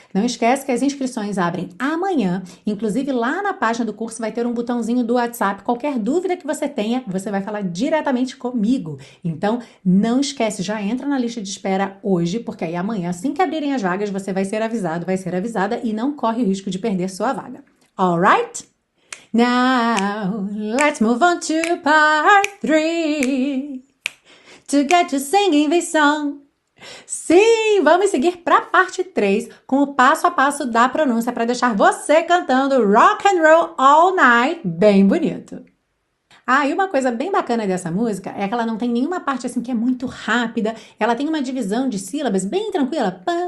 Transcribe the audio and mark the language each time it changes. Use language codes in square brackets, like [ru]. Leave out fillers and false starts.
[pt] Não esquece que as inscrições abrem amanhã, inclusive lá na página do curso vai ter um botãozinho do WhatsApp. Qualquer dúvida que você tenha, você vai falar diretamente comigo. Então, não esquece, já entra na lista de espera hoje, porque aí amanhã, assim que abrirem as vagas, você vai ser avisado, vai ser avisado. E não corre o risco de perder sua vaga. [en] All right? Now, let's move on to part three. To get you singing this song. [pt] Sim, vamos seguir para a parte 3 com o passo a passo da pronúncia para deixar você cantando [en] rock and roll all night [pt] bem bonito. Ah, e uma coisa bem bacana dessa música é que ela não tem nenhuma parte assim que é muito rápida. Ela tem uma divisão de sílabas bem tranquila.